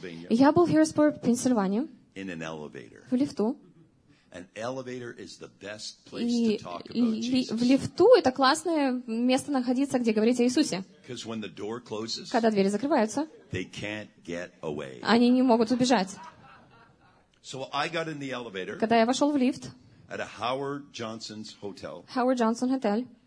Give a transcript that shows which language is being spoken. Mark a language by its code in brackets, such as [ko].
[ru] Я был в Харрисбург, Пенсильвания. В лифту. [en] An elevator is the best place to talk about Jesus. [ru] В лифту это классное место находиться, где говорить о Иисусе. [en] Because when the door closes, [ru] когда двери закрываются, [en] they can't get away. [ru] Они не могут убежать. [en] So I got in the elevator. [ru] Когда я вошел в лифт. [en] At a Howard Johnson's hotel. Howard Johnson Hotel.